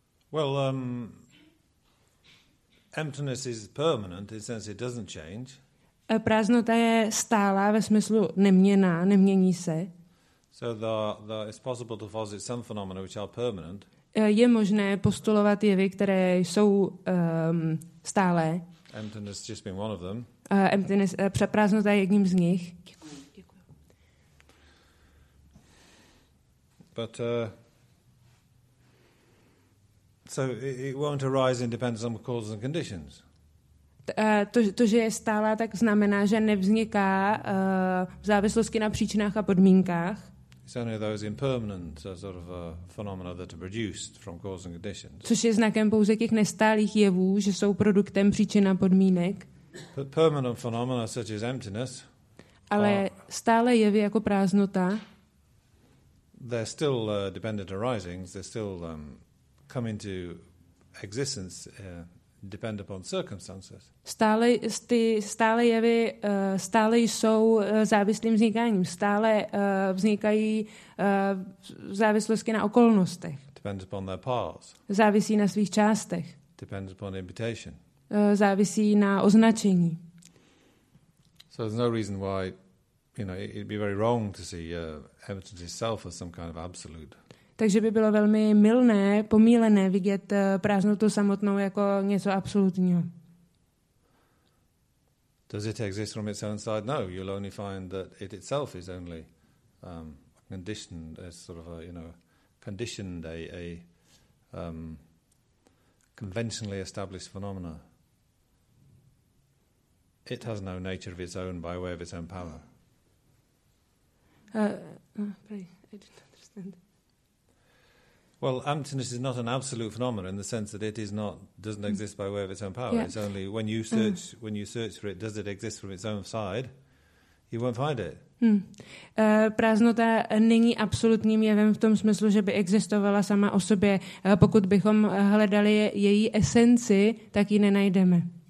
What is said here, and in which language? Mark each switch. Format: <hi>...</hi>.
<en>Well, emptiness is permanent in the sense it doesn't change.</en> <cs>A prázdnota je stálá ve smyslu neměnná, nemění se.</cs> <en>So there is possible to posit some phenomena which are permanent.</en> <cs>Je možné postulovat jevy, které jsou stálé.</cs> <en>Emptiness just being one of them.</en> <cs>Prázdnota je jedním z nich. Děkuji.</cs> <en>But so it won't arise in dependence on causes and conditions.</en> <cs>To, že je stála, tak znamená, že nevzniká v závislosti na příčinách a podmínkách.</cs> <en>It's only those impermanent sort of phenomena that are produced from causes and conditions.</en> <cs>Což je znakem pouze těch nestálých jevů, že jsou produktem příčin a podmínek.</cs> <en>But permanent phenomena such as emptiness.</en> <cs>Ale stále jevy jako prázdnota.</cs> <en>They're still dependent arisings. They're still come into existence depend upon circumstances.</en> <cs>Stále jevy stále jsou závislým vznikáním, stále vznikají v závislosti na okolnostech.</cs> <en>Depends upon their parts.</en> <cs>Závisí na svých částech.</cs> <en>Depends upon imitation.</en> <cs>Závisí na označení.</cs> <en>So there's no reason why, you know, it'd be very wrong to see emptiness itself as some kind of absolute.</en> <cs>Takže by bylo velmi mylné, pomílené vidět prázdnotu samotnou jako něco absolutního.</cs> <en>Does it exist from its own side? No, you'll only find that it itself is only conditioned, a sort of a, you know, conditioned a conventionally established phenomena. It has no nature of its own by way of its own power. I didn't understand. Well, emptiness is not an absolute phenomenon in the sense that it is not doesn't exist by way of its own power. Yeah. It's only when you search for it, does it exist from its own side? You won't find it.</en> <cs>Prázdnota není absolutním jevem v tom smyslu, že by existovala sama o sobě. Pokud bychom hledali její esenci, tak ji nenajdeme.</cs>